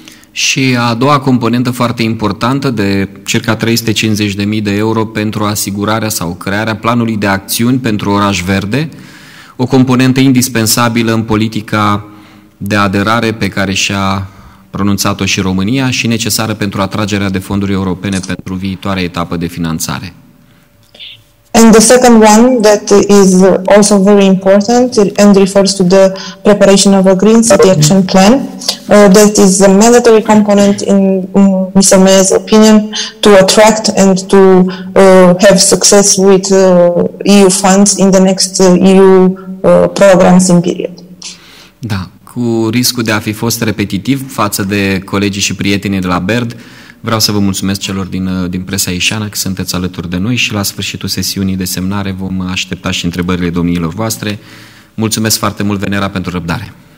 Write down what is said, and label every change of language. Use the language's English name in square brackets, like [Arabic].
[Romanian] Și a doua componentă foarte importantă de circa 350.000 de euro pentru asigurarea sau crearea planului de acțiuni pentru Oraș Verde, o componentă indispensabilă în politica de aderare pe care și-a pronunțat-o și România și necesară pentru atragerea de fonduri europene pentru viitoarea etapă de finanțare. [English] And the second one that is also very important and refers to the preparation of a Green City Action Plan. That is a mandatory component in Ms. Mea's opinion to attract and to have success with EU funds in the next EU programs in period. [Romanian] Da. Cu riscul de a fi fost repetitiv față de colegii și prietenii de la BERD, vreau să vă mulțumesc celor din presa ieșeană că sunteți alături de noi și la sfârșitul sesiunii de semnare vom aștepta și întrebările domniilor voastre. Mulțumesc foarte mult, Venera, pentru răbdare.